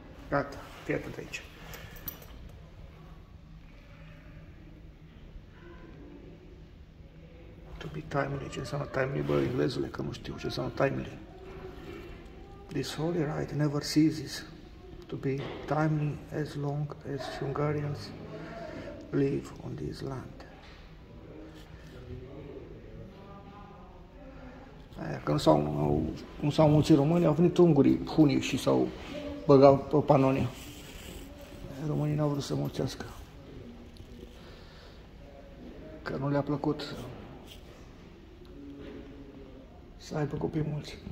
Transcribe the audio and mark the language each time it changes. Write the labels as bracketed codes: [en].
[ro] Gata, fii atent aici. [en] To be timely, [ro] ce înseamnă timely, bă, englezule, că nu știu ce înseamnă timely. [en] This holy right never ceases to be timely as long as Hungarians live on this land. [ro] Aia, că nu s-au mulțit români, au venit ungurii, hunii și s-au băgau pe Panonia. Românii n-au vrut să mulțească. Că nu le-a plăcut să aibă copii mulți.